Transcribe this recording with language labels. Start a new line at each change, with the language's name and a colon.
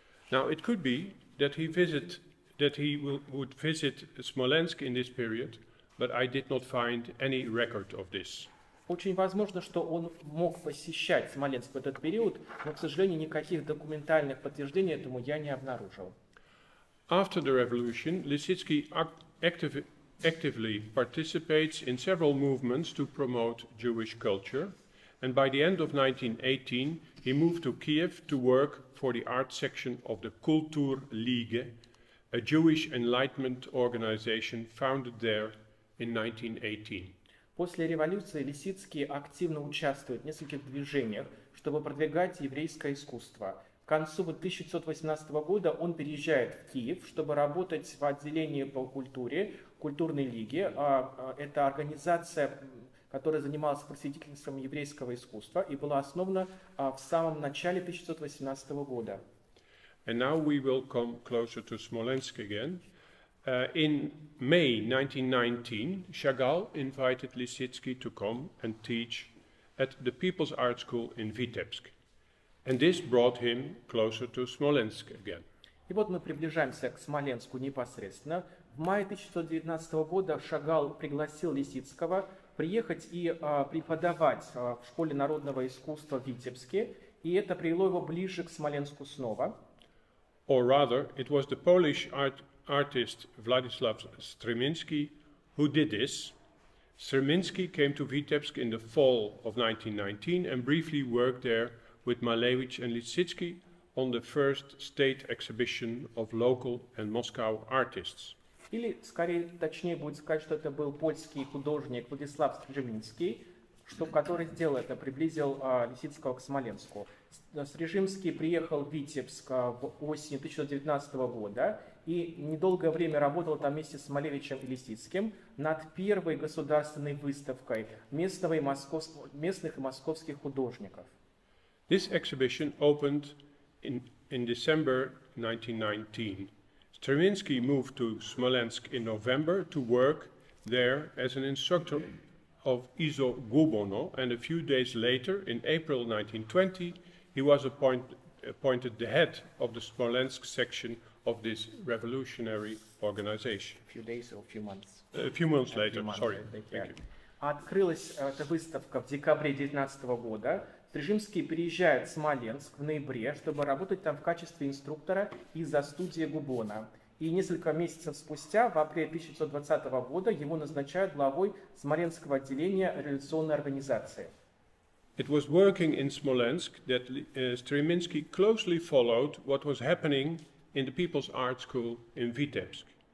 English: Now it could be that he would visit Smolensk in this period, but I did not find any record of this.
Russian: Очень возможно, что он мог посещать Смоленск в этот период, но, к сожалению, никаких документальных подтверждений этому я не обнаружил.
English: After the revolution, Лисицкий actively participates in several movements to promote Jewish culture, and by the end of 1918 he moved to Kiev to work for the art section of the Kulturliga, a Jewish Enlightenment organization founded there in 1918.
Russian: После революции Лисицкий активно участвует в нескольких движениях, чтобы продвигать еврейское искусство. К концу 1918 года он переезжает в Киев, чтобы работать в отделении по культуре, культурной лиге. Это организация, которая занималась просветительством еврейского искусства и была основана в самом начале 1918 года.
English: And now we will come closer to Smolensk again. In May 1919, Chagall invited Lisicki to come and teach at the People's Art School in Vitebsk. And this brought him closer to Smolensk again.
Russian: И вот мы приближаемся к Смоленску непосредственно. В мае 1919 года Шагал пригласил Лисицкого приехать и преподавать в Школе народного искусства в Витебске, и это привело его ближе к Смоленску снова.
English: Or rather, it was the Polish artist Vladislav Strzemiński who did this. Strzemiński came to Vitebsk in the fall of 1919 and briefly worked there with Malevich and Lisicki on the first state exhibition of local and Moscow artists.
Russian: Или, скорее, точнее будет сказать, что это был польский художник Владислав Стрижимский, который сделал это, приблизил Лисицкого к Смоленску. Стрижимский приехал в Витебск в осень 1919 года и недолгое время работал там вместе с Малевичем и Лисицким над первой государственной выставкой местных и московских художников.
English: This exhibition opened in December 1919. Strzemiński moved to Smolensk in November to work there as an instructor of Izo Gubono, and a few days later, in April 1920, he was appointed the head of the Smolensk section of this revolutionary organization. A few months later.
Russian: Открылась эта выставка в декабре 19 года. Стрижимский переезжает в Смоленск в ноябре, чтобы работать там в качестве инструктора из-за студии Губона. И несколько месяцев спустя, в апреле 1920 года, его назначают главой Смоленского отделения революционной организации.
English: It was working in Smolensk that Стрижимский closely followed what was happening in the People's Art School in Vitebsk.